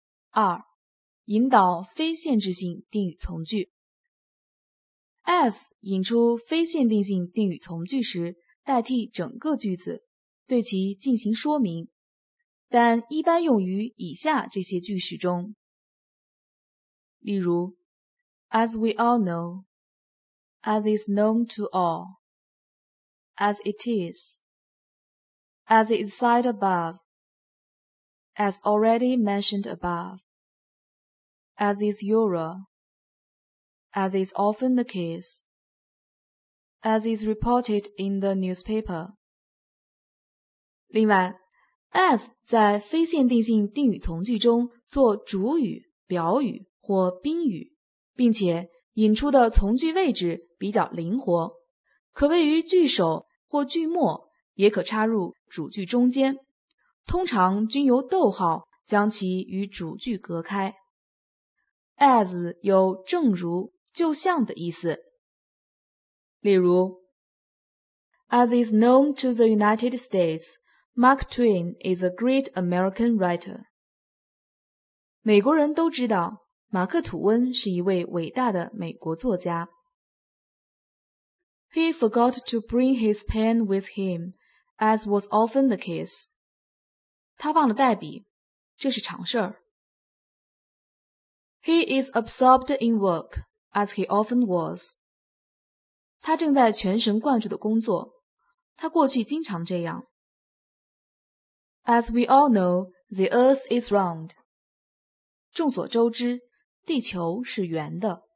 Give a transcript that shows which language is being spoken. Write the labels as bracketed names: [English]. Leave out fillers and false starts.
[Chinese] 二、引导非限制性定语从句。 as 引出非限定性定语从句时，代替整个句子，对其进行说明，但一般用于以下这些句式中。例如 [English] ,as we all know, as is known to all, as it is, as it is said above, as already mentioned above, as is usual, as is often the case, as is reported in the newspaper. [Chinese] 另外 ,as 在非限定性定语从句中做主语、表语或宾语，并且引出的从句位置比较灵活，可位于句首或句末，也可插入主句中间，通常均由逗号将其与主句隔开。 as 有正如、就像的意思。例如 [English] ,as is known to the United States, Mark Twain is a great American writer. [Chinese] 美国人都知道马克吐温是一位伟大的美国作家。 [English] He forgot to bring his pen with him, as was often the case. [Chinese] 他忘了带笔，这是常事儿。 [English] He is absorbed in work, as he often was. [Chinese] 他正在全神贯注的工作，他过去经常这样。 [English] As we all know, the earth is round. [Chinese] 众所周知，地球是圆的。